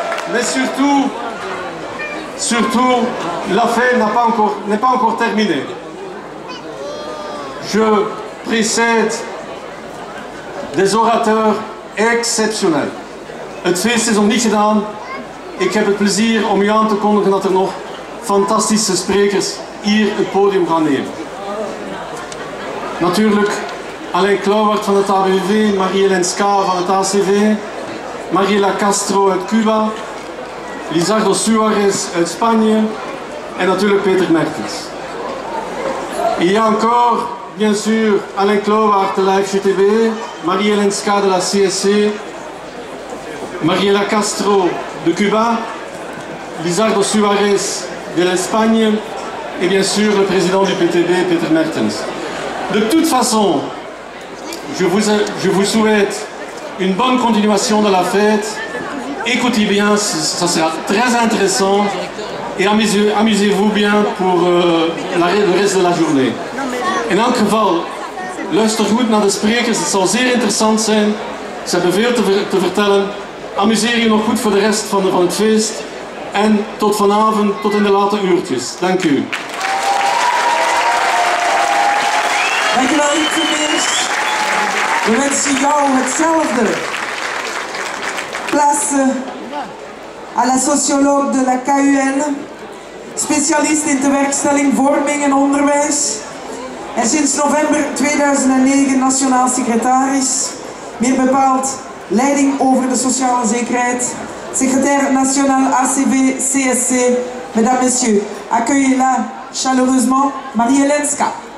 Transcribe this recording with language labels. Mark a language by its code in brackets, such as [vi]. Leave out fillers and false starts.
[fr] Mais surtout, la fête n'est pas encore terminée. Je précède des orateurs exceptionnels. [nl] Het feest is nog niet gedaan. Ik heb het plezier om u aan te kondigen dat er nog fantastische sprekers hier het podium gaan nemen. Natuurlijk Alain Clouwart van het ABV, Marie-Hélène Ska van het ACV, Mariela Castro uit Cuba, Lizardo Suarez uit Spanje en natuurlijk Peter Mertens. [fr] Il y a encore, bien sûr, Alain Clouwart de la FGTB, Marie-Hélène Ska de la CSC, Mariela Castro de Cuba, Lizardo Suarez de l'Espagne et bien sûr le président du PTB, Peter Mertens. De toute façon, je vous souhaite une bonne continuation de la fête. Écoutez bien, ça sera très intéressant. Et amusez-vous bien pour le reste de la journée. [nl] In elk geval, luister goed naar de sprekers. Het zal zeer interessant zijn. Ze hebben veel te vertellen. Amuseer je nog goed voor de rest van het feest. En tot vanavond, tot in de late uurtjes. Dank u. Dankjewel, Itzemeers. We wensen jou hetzelfde. [fr] Place à la socioloog de la KUN. [nl] Specialist in de werkstelling vorming en onderwijs. En sinds november 2009 nationaal secretaris. Meer bepaald leiding over de sociale zekerheid. [fr] Secrétaire national ACV-CSC. Mesdames, messieurs, accueillez-la chaleureusement, Marie-Hélène Ska.